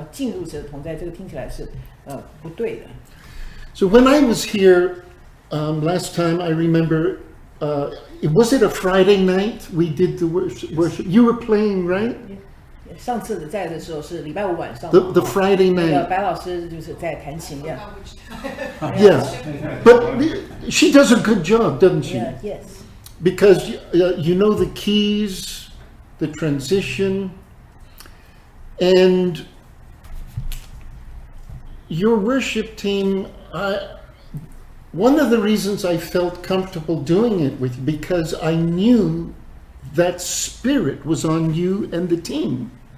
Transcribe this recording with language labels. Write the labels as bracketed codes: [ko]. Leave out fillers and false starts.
[zh] 哦，所以不只是对于带敬拜的人，而是说每一个信主的人，你就是应该是在敬拜神与神同行的。所以，哦，当我们讲说这个要是追求神啊，或者说你要进入神的同在，这个听起来是不对的。 [en] So when I was here last time, I remember, was it a Friday night we did the worship? You were playing, right? [zh] 上次在的时候是礼拜五晚上。 [en] The Friday night. [zh] 白老师就是在弹琴。 [en] Yeah, but she does a good job, doesn't she? Yeah, yes. Because you know the keys, the transition, and your worship team, one of the reasons I felt comfortable doing it with you, because I knew that spirit was on you and the team.